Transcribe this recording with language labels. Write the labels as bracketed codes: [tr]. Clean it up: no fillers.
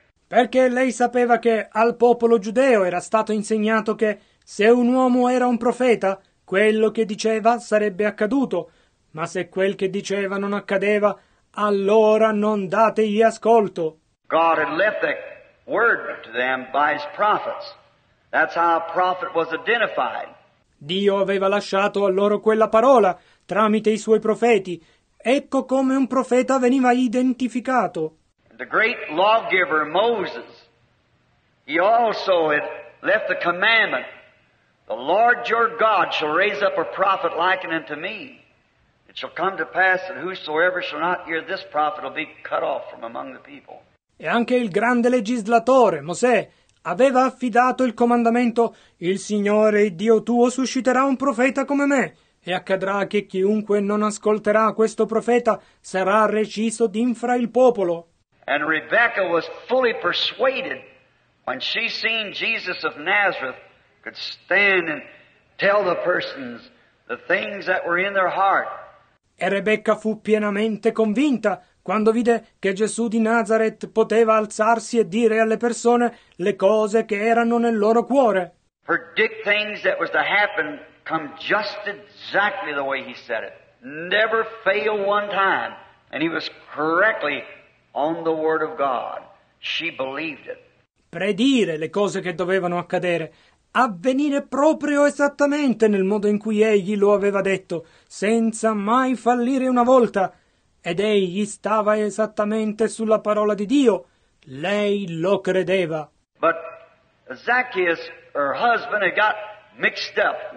[it] Perché lei sapeva che al popolo giudeo era stato insegnato che se un uomo era un profeta, quello che diceva sarebbe accaduto, ma se quel che diceva non accadeva, allora non dategli ascolto. [en] God had left that word to them by his prophets. That's how a prophet was identified. [it] Dio aveva lasciato a loro quella parola tramite i suoi profeti. Ecco come un profeta veniva identificato. [en] The great lawgiver Moses, he also had left the commandment, the Lord your God shall raise up a prophet like unto me. It shall come to pass that whosoever shall not hear this prophet will be cut off from among the people. [it] E anche il grande legislatore Mosè aveva affidato il comandamento: il Signore Dio tuo susciterà un profeta come me, e accadrà che chiunque non ascolterà questo profeta sarà reciso d'infra il popolo. [en] And Rebecca was fully persuaded when she seen Jesus of Nazareth could stand and tell the persons the things that were in their heart. [it] E Rebecca fu pienamente convinta quando vide che Gesù di Nazareth poteva alzarsi e dire alle persone le cose che erano nel loro cuore. [en] Predict things that was to happen come just exactly the way he said it. Never fail one time. And he was correctly on the word of God. She believed it. [it] Predire le cose che dovevano accadere, avvenire proprio esattamente nel modo in cui egli lo aveva detto, senza mai fallire una volta. Ed egli stava esattamente sulla parola di Dio. Lei lo credeva. [en] But Zacchaeus, her husband, had got mixed up.